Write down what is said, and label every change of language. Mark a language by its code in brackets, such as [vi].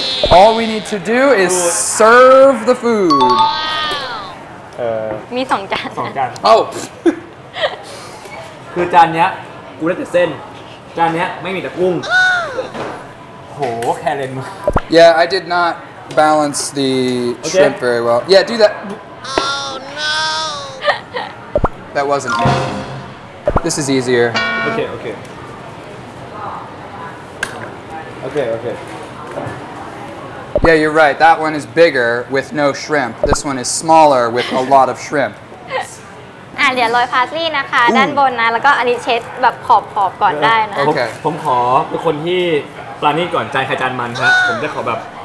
[en] All we need to do is serve the food. [th] มีสองจาน สองจาน โอ้ คือจานเนี้ยกูได้แต่เส้นจานเนี้ยไม่มีแต่กุ้งโหแคร์เลนมา [en] Yeah I did not balance the shrimp very well Yeah do that Oh no That wasn't me This is easier Okay okay Yeah, you're right. That one is bigger with no shrimp. This one is smaller with a lot of shrimp. [th] เดี๋ยวโรยพาสลีย์นะคะด้านบนนะแล้วก็อันนี้เช็ดแบบขอบๆก่อนได้นะ ผ มขอทุกคนที่ปราณีก่อนใจใครจานมันฮะผมจะขอแบบ